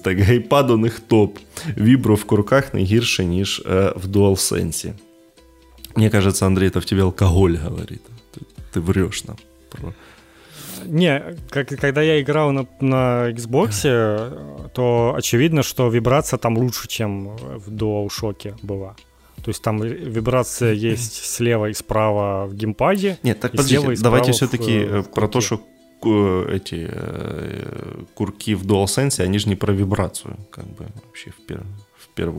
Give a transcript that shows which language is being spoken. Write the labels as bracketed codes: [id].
[uk] Так, гейпад у них топ. Вібро в курках не гірше, ніж в DualSense. Мені кажеться, Андрій, це в тебе алкоголь говорить. Ти врєш нам. [ru] Не, когда я играл на Xbox, то очевидно, что вибрация там лучше, чем в DualShock была. То есть там вибрация есть слева и справа в геймпаде. Нет, так подождите, давайте все-таки про то, что эти курки в DualSense, они же не про вибрацию, как бы вообще в первую